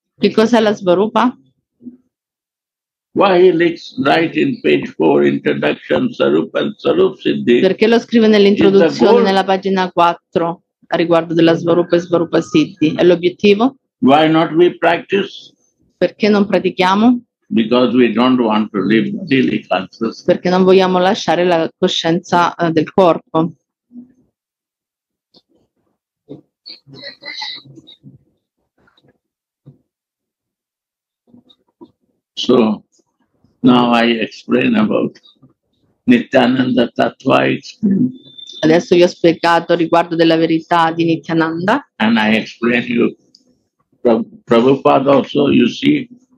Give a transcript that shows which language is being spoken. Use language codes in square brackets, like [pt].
[it] Che cos'è la svarupa? [en] Why he likes write in page 4 introduction svarupa and svarupa siddhi? [it] Perché lo scrive nell'introduzione nella pagina 4 a riguardo della svarupa e svarupa siddhi? È l'obiettivo? [en] Why not we practice? [it] Perché non pratichiamo? [en] Because we don't want to leave bodily consciousness. [it] Perché non vogliamo lasciare la coscienza del corpo. [en] So now I explain about Nityananda Tattva. [it] Adesso vi ho spiegato riguardo della verità di Nityananda. [en] And I explain you Prabhupada also, you see.